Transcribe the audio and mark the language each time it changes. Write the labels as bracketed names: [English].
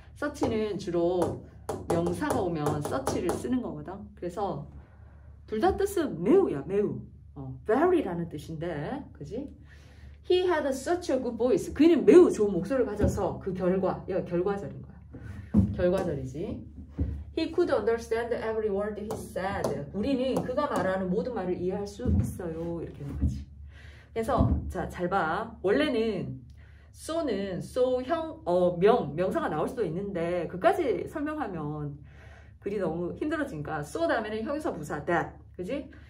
[Korean] search는 주로 명사가 오면 search를 쓰는 거거든. 그래서 둘다 뜻은 매우야, 매우. very라는 뜻인데, 그지? [English] He had such a good voice. [Korean] 그는 매우 좋은 목소리를 가져서 그 결과, 야, 결과절인 거야. 결과절이지. [English] He could understand every word he said. [Korean] 우리는 그가 말하는 모든 말을 이해할 수 있어요. 이렇게 하는 거지. 그래서, 자, 잘 봐. 원래는 so는 so 형, 명사가 나올 수도 있는데, 그까지 설명하면 글이 너무 힘들어지니까, so 다음에는 형용사 부사, that. 그지?